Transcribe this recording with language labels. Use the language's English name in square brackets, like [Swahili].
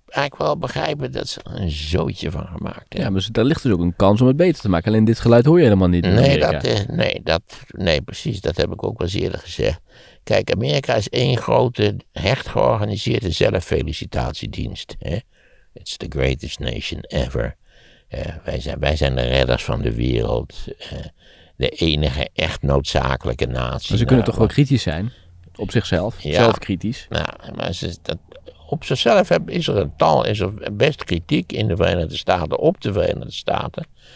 [Dutch] eigenlijk wel begrijpen dat ze er een zootje van gemaakt hebben. Ja, maar daar ligt dus ook een kans om het beter te maken. Alleen dit geluid hoor je helemaal niet in Amerika. Nee, precies. Dat heb ik ook wel eens eerder gezegd. Kijk, Amerika is één grote, hecht georganiseerde zelffelicitatiedienst. Hè? [English] It's the greatest nation ever. [Dutch] Wij zijn de redders van de wereld. De enige echt noodzakelijke natie. Maar ze kunnen toch wel kritisch zijn? Op zichzelf? Ja, zelfkritisch? Ja, maar ze, dat, op zichzelf is er best kritiek in de Verenigde Staten, op de Verenigde Staten.